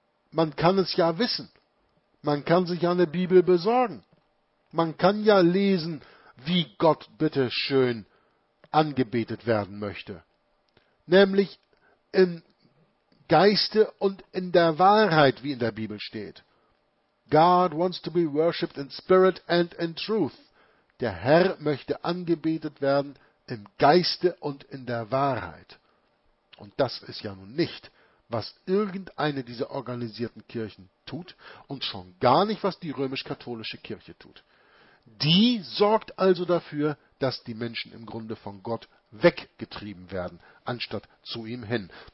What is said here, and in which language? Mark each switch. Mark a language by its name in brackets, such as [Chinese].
[German] Man kann es ja wissen. Man kann sich ja eine Bibel besorgen. Man kann ja lesen, wie Gott bitte schön angebetet werden möchte. Nämlich im Geiste und in der Wahrheit, wie in der Bibel steht. [English] God wants to be worshipped in spirit and in truth. [German] Der Herr möchte angebetet werden im Geiste und in der Wahrheit. Und das ist ja nun nicht, was irgendeine dieser organisierten Kirchen tut und schon gar nicht, was die römisch-katholische Kirche tut. Die sorgt also dafür, dass die Menschen im Grunde von Gott weggetrieben werden, anstatt zu ihm hin.